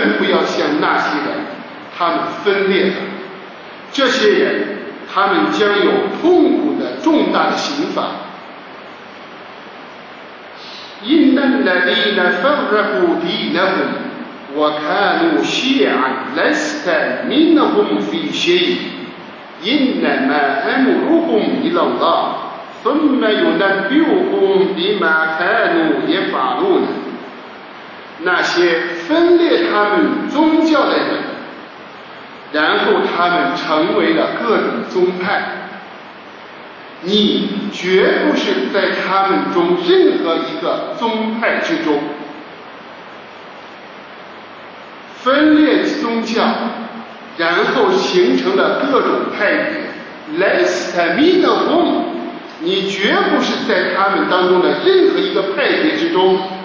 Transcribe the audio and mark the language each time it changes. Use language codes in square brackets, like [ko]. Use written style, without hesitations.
[zh] 他们分裂了，你们不要像那些人，他们分裂了。在明证来到他们之后，他们有分歧。这些人，他们将有重大的刑罚。在真理正道明证为他们阐述之后，分裂了。安拉苏巴哈的古阿塔拉告诉我们：你们不要像那些人，他们分裂了。这些人，他们将有痛苦的重大的刑罚。 [ar] إن الذين فرقوا دينهم وكانوا شيعا لست منهم في شيء إنما أمرهم إلى الله ثم ينبئهم بما كانوا يفعلون [zh] 那些分裂他们宗教的人然后他们成为了各种宗派你绝不是在他们中任何一个宗派之中分裂宗教然后形成了各种派别 less than me the home 你绝不是在他们当中的任何一个派别之中